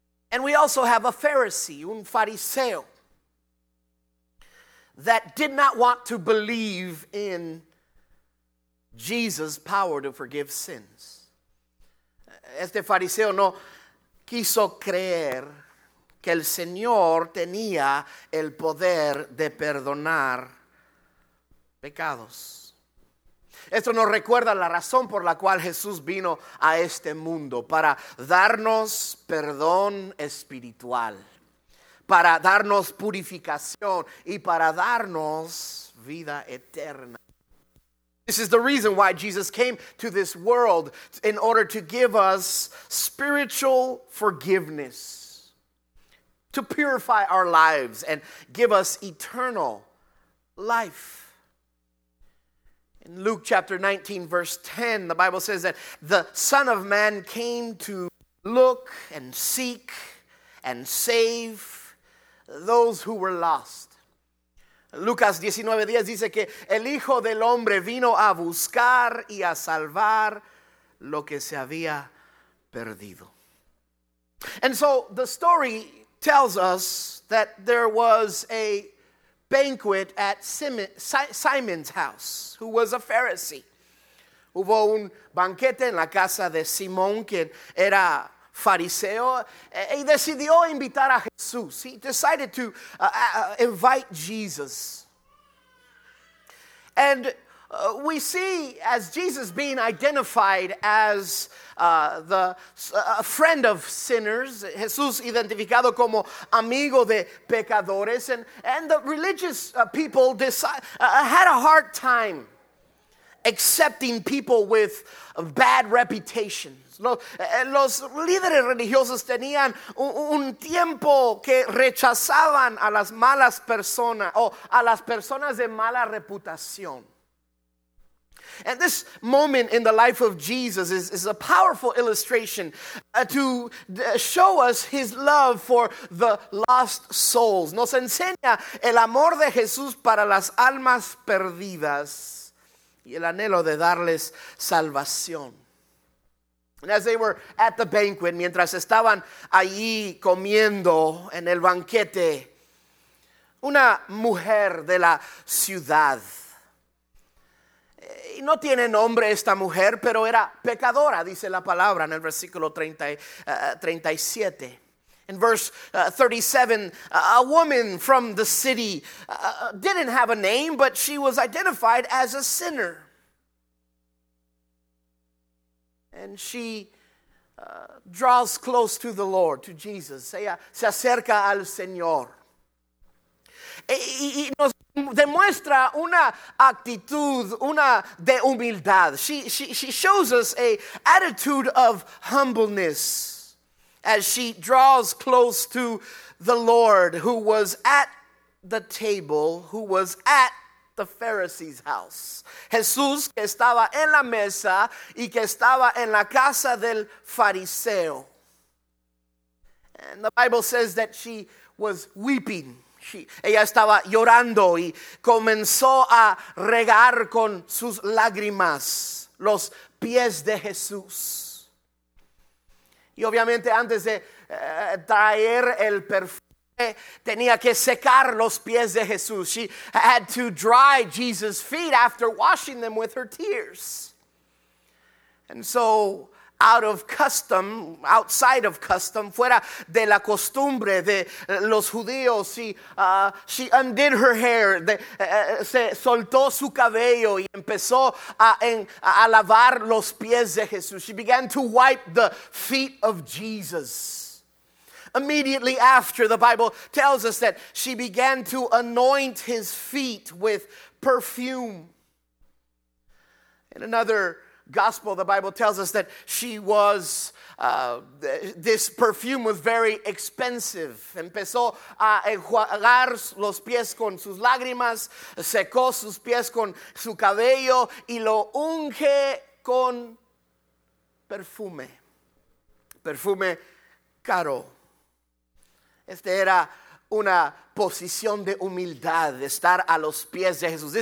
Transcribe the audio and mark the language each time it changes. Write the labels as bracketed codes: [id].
[en] And we also have a Pharisee, [es] un fariseo, [en] that did not want to believe in Jesus' power to forgive sins. [es] Este fariseo no quiso creer que el Señor tenía el poder de perdonar pecados. Esto nos recuerda la razón por la cual Jesús vino a este mundo, para darnos perdón espiritual, para darnos purificación y para darnos vida eterna. [en] This is the reason why Jesus came to this world, in order to give us spiritual forgiveness, to purify our lives and give us eternal life. In Luke chapter 19 verse 10, the Bible says that the Son of Man came to look and seek and save those who were lost. [es] Lucas 19:10 dice que el Hijo del Hombre vino a buscar y a salvar lo que se había perdido. [en] And so the story tells us that there was a banquet at Simon's house, who was a Pharisee. [es] Hubo un banquete en la casa de Simón, quien era fariseo, y decidió invitar a Jesús. [en] He decided to invite Jesus. And we see as Jesus being identified as friend of sinners, [es] Jesús identificado como amigo de pecadores, [en] and the religious people had a hard time accepting people with bad reputations. [es] Los líderes religiosos tenían un tiempo que rechazaban a las malas personas o a las personas de mala reputación. [en] And this moment in the life of Jesus is a powerful illustration to show us his love for the lost souls. [es] Nos enseña el amor de Jesús para las almas perdidas y el anhelo de darles salvación. [en] And as they were at the banquet, [es] mientras estaban allí comiendo en el banquete, una mujer de la ciudad. Y no tiene nombre esta mujer, pero era pecadora, dice la palabra en el versículo 37. [en] In verse 37, a woman from the city didn't have a name, but she was identified as a sinner. And she draws close to the Lord, to Jesus. [es] Ella se acerca al Señor. Y nos demuestra una actitud, una de humildad. [en] She shows us a attitude of humbleness as she draws close to the Lord who was at the table, who was at the Pharisee's house. [es] Jesús que estaba en la mesa y que estaba en la casa del fariseo. [en] And the Bible says that she was weeping. [es] Ella estaba llorando y comenzó a regar con sus lágrimas los pies de Jesús. Y obviamente antes de traer el perfume, tenía que secar los pies de Jesús. [en] She had to dry Jesus' feet after washing them with her tears. And so, out of custom, [es] outside of custom, fuera de la costumbre de los judíos, [en] she undid her hair, [es] se soltó su cabello y empezó a lavar los pies de Jesús. [en] She began to wipe the feet of Jesus. Immediately after, the Bible tells us that she began to anoint his feet with perfume. In another Gospel, the Bible tells us that she was, this perfume was very expensive. [es] Empezó a enjuagar los pies con sus lágrimas, secó sus pies con su cabello y lo unge con perfume. Perfume caro. Este era una posición de humildad, de estar a los pies de Jesús.